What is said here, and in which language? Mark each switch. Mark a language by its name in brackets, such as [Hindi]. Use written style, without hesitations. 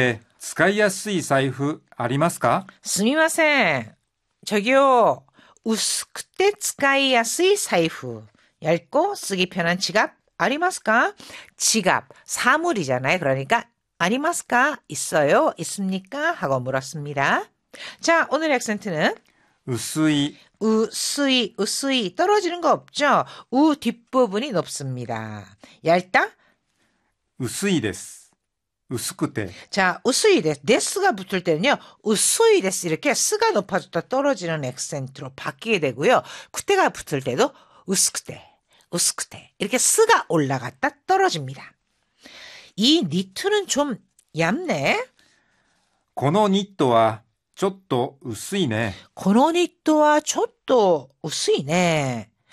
[Japanese] すみません。薄くて使いやすい財布ありますか? すみません。 [Korean] 저기요, [Japanese] 薄くて使いやすい財布, [Korean] 얇고 쓰기 편한 지갑 [Japanese] 아리마스카? [Korean] 지갑, 사물이잖아요. 그러니까 [Japanese] 아리마스카? [Korean] 있어요? 있습니까? 하고 물었습니다. 자, 오늘 액센트는 [Japanese] 薄い. 薄い, 薄い. [Korean] 떨어지는 거 없죠? 우 뒷부분이 높습니다. 얇다? [Japanese] 薄いです.薄くて. 자, 薄いです. [Korean] です가 붙을 때는요, [Japanese] 薄いです. [Korean] 이렇게 す가 높아졌다 떨어지는 액센트로 바뀌게 되고요. くて가 붙을 때도 [Japanese] 薄くて, 薄くて. [Korean] 이렇게 す가 올라갔다 떨어집니다. 이 니트는 좀 얇네. [Japanese] このニットはちょっと薄いね。このニットはちょっと薄いね。